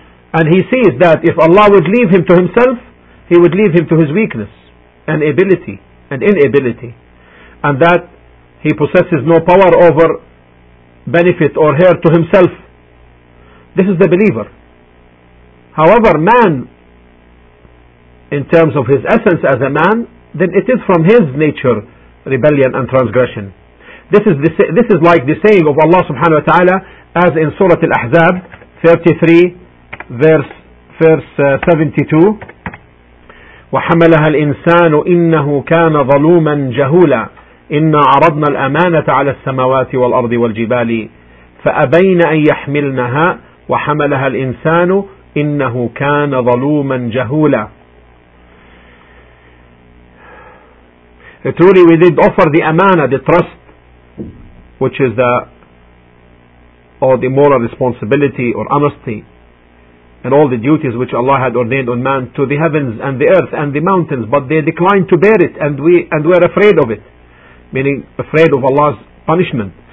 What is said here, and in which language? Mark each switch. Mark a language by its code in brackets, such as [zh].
[en] And he sees that if Allah would leave him to himself, he would leave him to his weakness and ability and inability, and that he possesses no power over benefit or hurt to himself. This is the believer. However, man, in terms of his essence as a man, then it is from his nature rebellion and transgression. This is like the saying of Allah subhanahu wa ta'ala, as in Surah Al-Ahzab 33 verse 72, [ar] وَحَمَلَهَا الْإِنسَانُ إِنَّهُ كَانَ ظَلُومًا جَهُولًا إِنَّا عَرَضْنَا الْأَمَانَةَ عَلَى السَّمَوَاتِ وَالْأَرْضِ وَالْجِبَالِ فَأَبَيْنَ أَنْ يَحْمِلْنَهَا وَحَمَلَهَا الْإِنسَانُ إِنَّهُ كَانَ ظَلُومًا جَهُولًا. [en] Truly we did offer the amana, the trust, which is the or the moral responsibility or honesty and all the duties which Allah had ordained on man to the heavens and the earth and the mountains, but they declined to bear it and were afraid of it, meaning afraid of Allah's punishment.